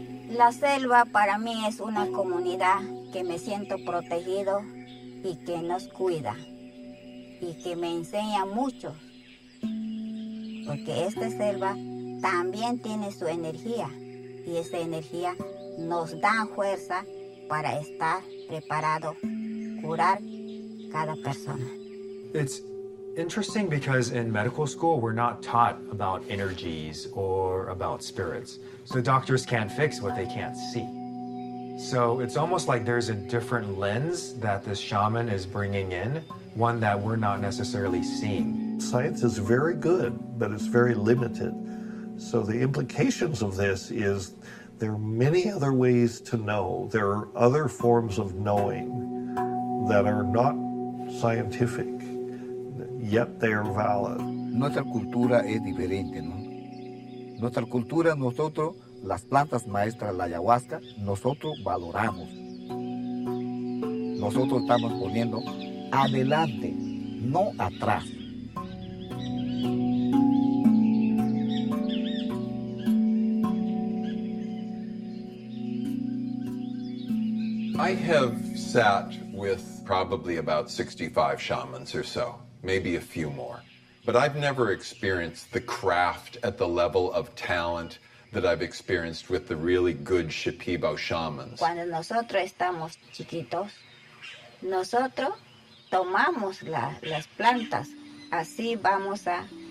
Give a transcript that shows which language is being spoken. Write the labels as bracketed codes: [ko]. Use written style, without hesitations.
[es] La selva para mí es una comunidad que me siento protegido y que nos cuida y que me enseña mucho, porque esta selva también tiene su energía y esa energía nos da fuerza para estar preparado, curar cada persona. [en] It's interesting because in medical school we're not taught about energies or about spirits. So doctors can't fix what they can't see. So it's almost like there's a different lens that this shaman is bringing in, one that we're not necessarily seeing. Science is very good, but it's very limited. So the implications of this is there are many other ways to know. There are other forms of knowing that are not scientific, yet they are valid. [es] Nuestra cultura es diferente, ¿no? Nuestra cultura, nosotros, las plantas maestras, la ayahuasca, nosotros valoramos. Nosotros estamos poniendo adelante, no atrás. [en] I have sat with probably about 65 shamans or so, maybe a few more. But I've never experienced the craft at the level of talent that I've experienced with the really good Shipibo shamans. [es] Cuando nosotros estamos chiquitos, nosotros tomamos las plantas. Así vamos a